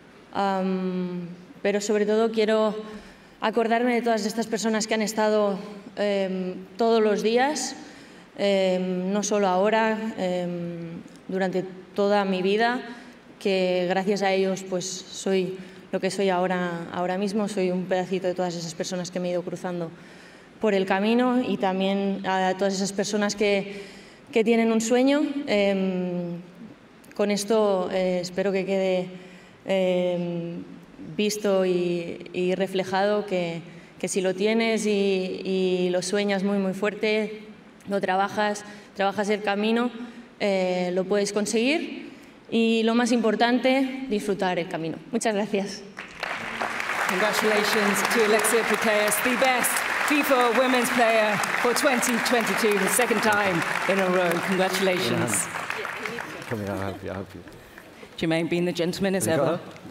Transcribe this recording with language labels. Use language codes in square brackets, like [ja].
[ca] Però sobretot [es] quiero acordarme [ca] de totes aquestes persones que han estat tots els dies, [es] no solo [ca] ara, durant tota [es] mi vida, [ca] que gràcies a ells [es] pues soy lo que soy ahora mismo. Soy un pedacito de todas esas personas que me he ido cruzando por el camino, y también a todas esas personas que tienen un sueño. Con esto espero que quede visto y reflejado que si lo tienes y lo sueñas muy, muy fuerte, lo trabajas el camino, lo puedes conseguir. Y lo más importante, disfrutar el camino. Muchas gracias. [en] Congratulations to Alexia Piteas, the best FIFA women's player for 2022, the second time in a row. Congratulations. Come here, I'll help you. Jermaine, being the gentleman as ever.